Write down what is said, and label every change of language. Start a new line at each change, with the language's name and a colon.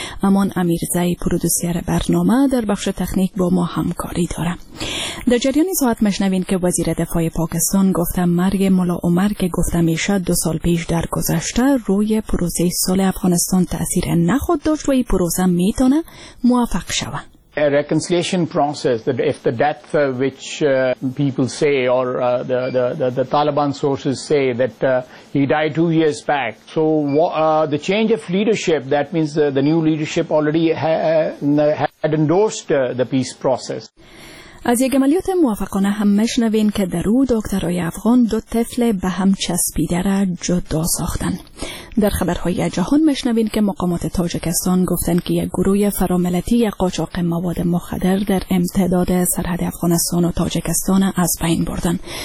Persian: امان امیرزای پرودوسر برنامه در بخش تکنیک با ما همکاری داره. در جریان ساعت مشنوین که وزیر دفاع پاکستان گفته مرگ ملا عمر که گفته میشه 2 سال پیش در گذشته روی پروسه صلح افغانستان تأثیر نخود داشت و این پروسه میتونه موفق شود.
English: A reconciliation process, that if the death which people say, or the Taliban sources say that he died 2 years back, so the change of leadership, that means the new leadership already had endorsed the peace process.
Persian: از یک عملیات موفقانه هم مشنوین که در او دکترای افغان 2 طفل به هم چسبیده را جدا ساختن. در خبرهای جهان مشنوین که مقامات تاجکستان گفتن که یک گروه فراملتی یک قاچاق مواد مخدر در امتداد سرحد افغانستان و تاجکستان از بین بردن.